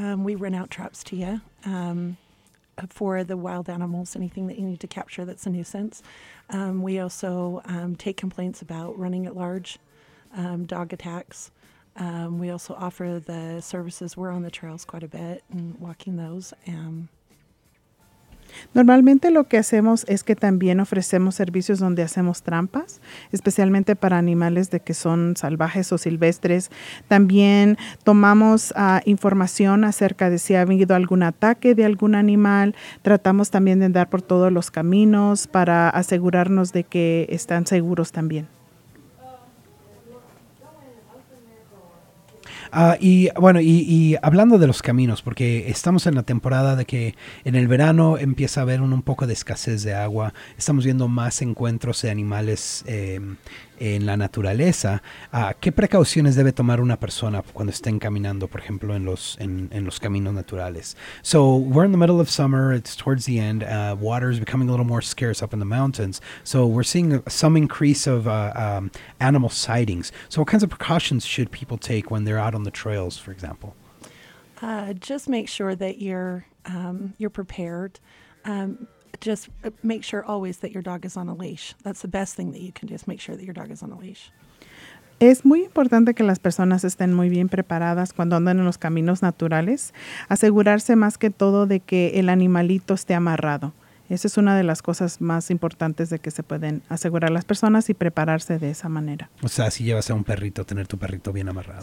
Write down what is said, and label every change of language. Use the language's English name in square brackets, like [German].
[English] We rent out traps to you for the wild animals, anything that you need to capture that's a nuisance. We also take complaints about running at large, dog attacks. We also offer the services. We're on the trails quite a bit and walking those. [Spanish] Normalmente lo que hacemos es que también ofrecemos servicios donde hacemos trampas, especialmente para animales de que son salvajes o silvestres. También tomamos información acerca de si ha habido algún ataque de algún animal. Tratamos también de andar por todos los caminos para asegurarnos de que están seguros también. Y hablando de los caminos, porque estamos en la temporada de que en el verano empieza a haber un poco de escasez de agua, estamos viendo más encuentros de animales en la naturaleza. ¿Qué precauciones debe tomar una persona cuando estén caminando, por ejemplo, en los caminos naturales? [English] So we're in the middle of summer, it's towards the end, water is becoming a little more scarce up in the mountains, so we're seeing some increase of animal sightings. So what kinds of precautions should people take when they're out on the trails, for example? Just make sure that you're prepared. Just make sure always that your dog is on a leash. That's the best thing that you can do, is make sure that your dog is on a leash. [Spanish] Es muy importante que las personas estén muy bien preparadas cuando andan en los caminos naturales. Asegurarse más que todo de que el animalito esté amarrado. Esa es una de las cosas más importantes de que se pueden asegurar las personas y prepararse de esa manera. O sea, si llevas a un perrito, tener tu perrito bien amarrado.